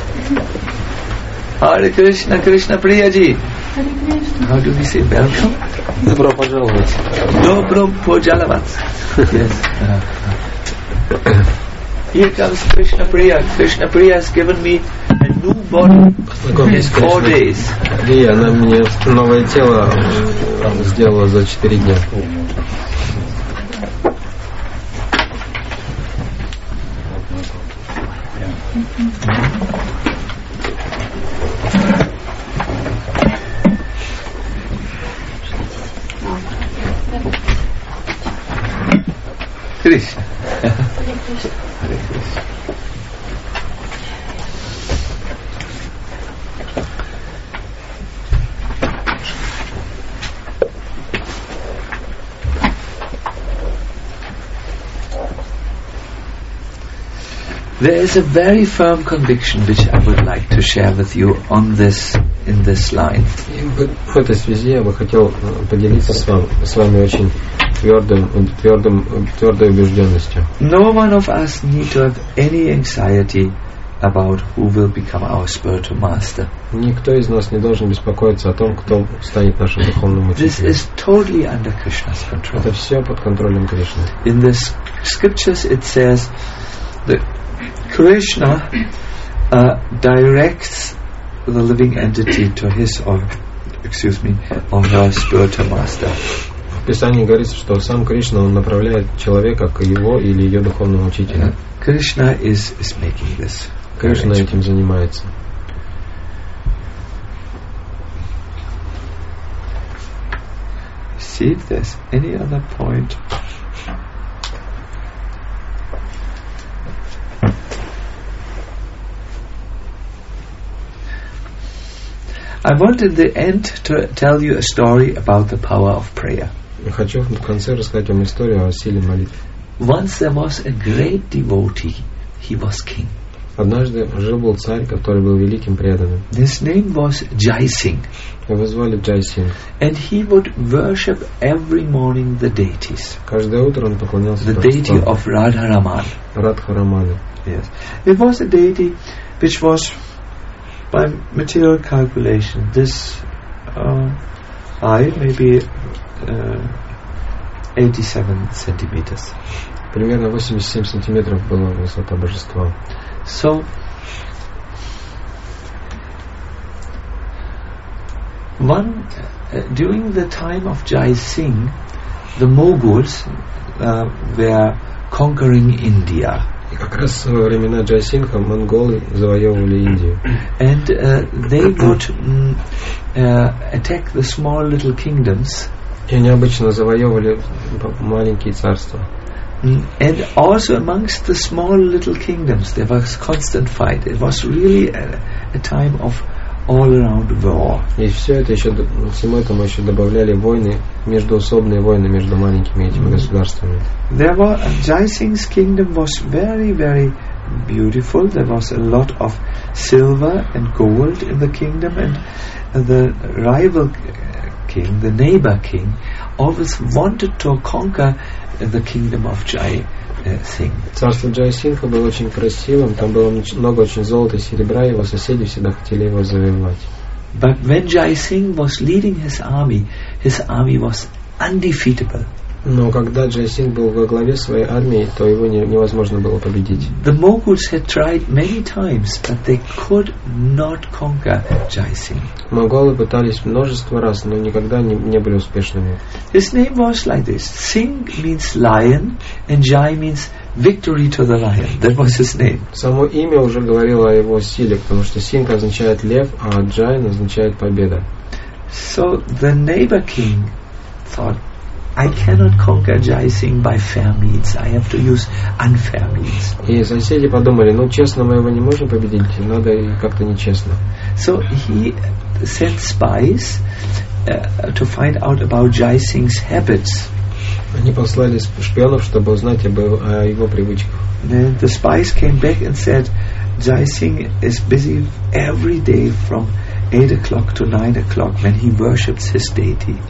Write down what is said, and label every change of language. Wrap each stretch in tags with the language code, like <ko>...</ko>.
<en>Yeah. Hare Krishna, Krishna Priya ji. How do we say welcome?</en> <ru>Добро пожаловать. Добро пожаловать.</ru> <en>Yes. Here comes Krishna Priya. Krishna Priya has given me a new body in 4 days.</en> <ru>Priya, она мне новое тело сделала за 4 дня.</ru> <en>Krishna. There is a very firm conviction which I would like to share with you on this, in this line.</en> <ru>В этой связи я бы хотел поделиться с вами очень твердой убежденности.</ru> <en>No one of us need to have any anxiety about who will become our spiritual master.</en> <ru>Никто из нас не должен беспокоиться о том, кто станет нашим духовным учителем.</ru> <en>This is totally under Krishna's control.</en> <ru>Это все под контролем Кришны.</ru> <en>In the scriptures it says that Krishna directs the living entity to his or, excuse me, or her spiritual master.</en> <ru>В Писании говорится, что сам Кришна он направляет человека к его или ее духовному учителю.</ru> <en>Krishna is making this.</en> <ru>Кришна этим занимается.</ru> <en>See if there's any other point. I want in the end to tell you a story about the power of prayer.</en> <ru>Я хочу в конце рассказать вам историю о силе молитвы.</ru> <en>Once there was a great devotee. He was king.</en> <ru>Однажды жил был царь, который был великим преданным.</ru> <en>His name was Jai Singh.</en> <ru>Его звали Jai Singh.</ru> <en>And he would worship every morning the deities.</en> <ru>Каждое утро он поклонялся</ru> <en>The deity of Radharaman.</en> <ru>Радхараману.</ru> <en>Yes. It was a deity which was by material calculation this high, maybe 87 centimeters.</en> <ru>Примерно 87 сантиметров была высота божества.</ru> <en>So, one during the time of Jai Singh, the Moguls were conquering India.</en> <ru>И как раз во времена Джай Сингха монголы завоевывали Индию.</ru> <en>And they would attack the small little kingdoms.</en> <ru>И они обычно завоевывали маленькие царства.</ru> <en>And also amongst the small little kingdoms, there was constant fight. It was really a time of all-around war.</en> <ru>И все это еще всему этому еще добавляли войны междуусобные войны между маленькими этими государствами.</ru> <en>There was Jai Singh's kingdom was very very beautiful. There was a lot of silver and gold in the kingdom, and the rival king, the neighbor king, always wanted to conquer the kingdom of Jai Singh.</en> <ru>Царство Джай Сингха было очень красивым, там было много очень золота и серебра, его соседи всегда хотели его завоевать.</ru> <en>But when Jai Singh was leading his army was undefeatable.</en> <ru>Но когда Джай Сингх был во главе своей армии, то его невозможно было победить.</ru> <en>The Moguls had tried many times, but they could not conquer Jai Singh.</en> <ru>Моголы пытались множество раз, но никогда не были успешными.</ru> <en>His name was like this. Singh means lion, and Jai means victory to the lion. That was his name.</en> <ru>Само имя уже говорило о его силе, потому что Сингх означает лев, а Джай означает победа.</ru> <en>So the neighbor king thought, I cannot conquer Jai Singh by fair means. I have to use unfair means.</en> <ru>И соседи подумали, ну честно мы его не можем победить, надо как-то нечестно.</ru> <en>So he sent spies to find out about Jai Singh's habits.</en> <ru>Они послали шпионов, чтобы узнать о его привычках.</ru> <en>Then the spies came back and said, Jai Singh is busy every day from 8 o'clock to 9 o'clock when he worships his deity.</en>